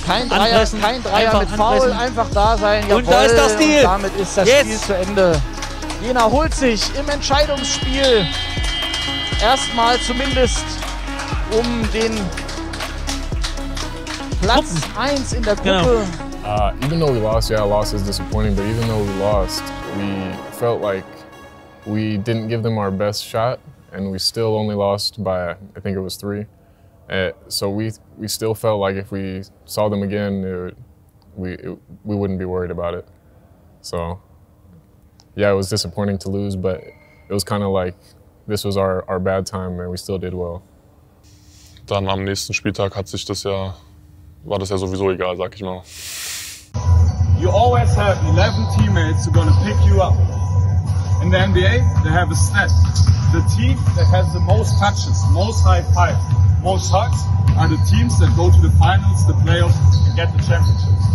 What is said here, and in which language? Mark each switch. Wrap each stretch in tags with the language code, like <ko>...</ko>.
<de>kein Dreier mit Foul, einfach da sein. Jawohl. Und da ist das Deal. Und damit ist das Spiel zu Ende. Jena holt sich im Entscheidungsspiel erstmal zumindest um den Platz 1 in der Gruppe.</de> <en>Even though we lost, yeah, loss is disappointing, but even though we lost, we felt like we didn't give them our best shot and we still only lost by, I think it was 3. So we still felt like if we saw them again, we wouldn't be worried about it. So yeah, it was disappointing to lose, but it was kind of like this was our bad time and we still did well.</en> <de>Dann am nächsten Spieltag hat sich das ja, war das ja sowieso egal, sag ich mal.</de> <en>You always have 11 teammates who are gonna pick you up. In the NBA, they have a stat. The team that has the most touches, most high five, most hugs are the teams that go to the finals, the playoffs and get the championship.</en>